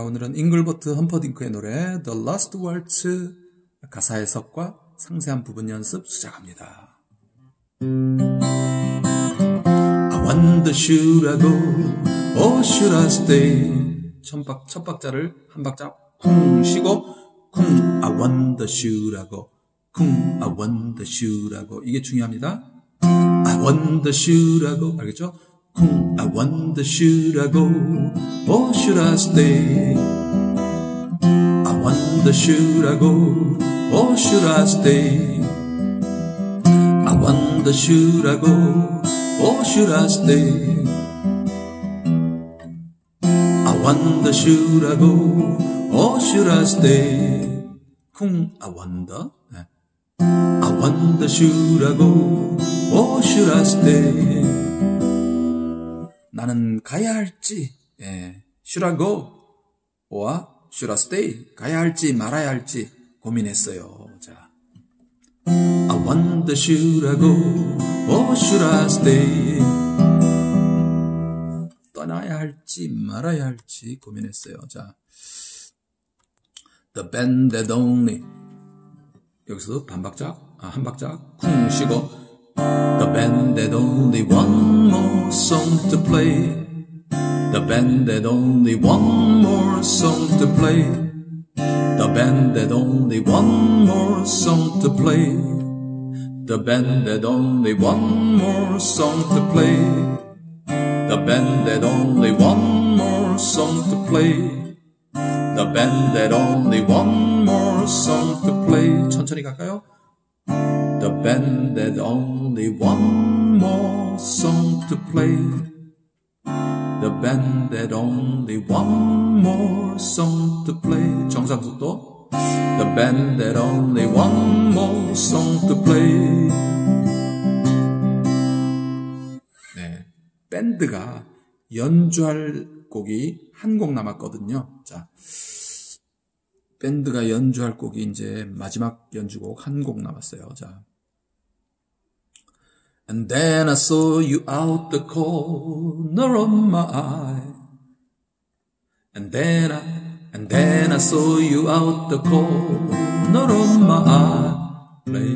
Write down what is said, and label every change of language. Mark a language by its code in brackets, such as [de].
[ko] 오늘은 잉글버트 험퍼딩크의 노래 The Last Waltz 가사 해석과 상세한 부분 연습 시작합니다. [en] I wonder should I go or should I stay? [ko] 첫 박자를 한 박자 쿵 쉬고 쿵 [en] I wonder should I go [ko] 쿵 I wonder should I go 이게 중요합니다. [en] I wonder should I go [ko] 알겠죠? [en] I wonder should I go or should I stay? I wonder should I go or should I stay? I wonder should I go or should I stay? I wonder should I go or should I stay? 쿵, I wonder. I wonder should I go or should I stay? [ko] 나는 가야 할지, 예, [en] should I go? or should I stay? [ko] 가야 할지 말아야 할지 고민했어요. [en] 자, I wonder should I go or should I stay? [ko] 떠나야 할지 말아야 할지 고민했어요. [en] 자, the band that only [ko] 여기서도 반 박자, 아, 한 박자 쿵 쉬고 [en] the band that only one more song to play. The band that only one more song to play. The band that only one more song to play. The band that only one more song to play. The band that only one more song to play. The band that only one more song to play. [ko] 천천히 갈까요? [en] The band that only one more song to play. The band that only one more song to play. [ko] 정상 속도. [en] The band that only one more song to play. [ko] 밴드가 연주할 곡이 한곡 남았거든요. 자, 밴드가 연주할 곡이 이제 마지막 연주곡 한곡 남았어요. 자. [en] And then I saw you out the corner of my eye. And then I saw you out the corner of my eye.